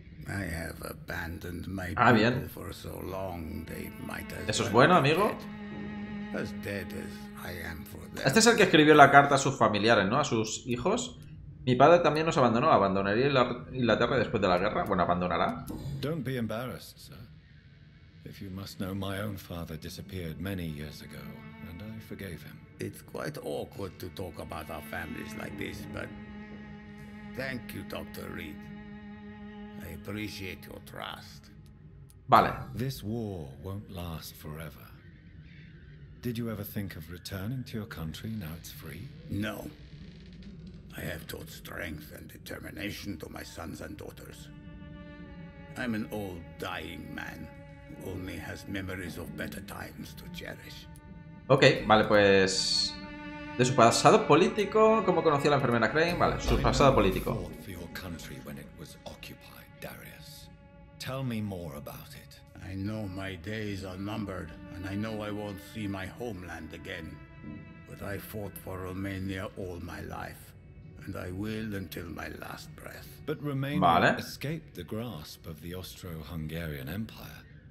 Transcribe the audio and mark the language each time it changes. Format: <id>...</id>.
<en>I have abandoned my people for so long they might as well.</en> <es>Eso es bueno, amigo.</es> <en>As dead as I am for them.</en> <es>Este es el que escribió la carta a sus familiares, ¿no? A sus hijos. Mi padre también nos abandonó. ¿Abandonaría Inglaterra después de la guerra? Bueno, abandonará.</es> <en>Don't be embarrassed, sir. If you must know, my own father disappeared many years ago, and I forgave him. It's quite awkward to talk about our families like this, but thank you, Dr. Reed. I appreciate your trust.</en> <es>Vale.</es> <en>This war won't last forever. Did you ever think of returning to your country now it's free? No. I have taught strength and determination to my sons and daughters. I'm an old dying man who only has memories of better times to cherish.</en> <es>Okay, vale, pues de su pasado político, cómo conoció a la enfermera Crane, vale, su pasado político.</es> <en>For your country when it was occupied. Darius, tell me more about it. I know my days are numbered, and I know I won't see my homeland again. But I fought for Romania all my life, and I will until my last breath. But Romania vale. Escaped the grasp of the Austro-Hungarian Empire.</en>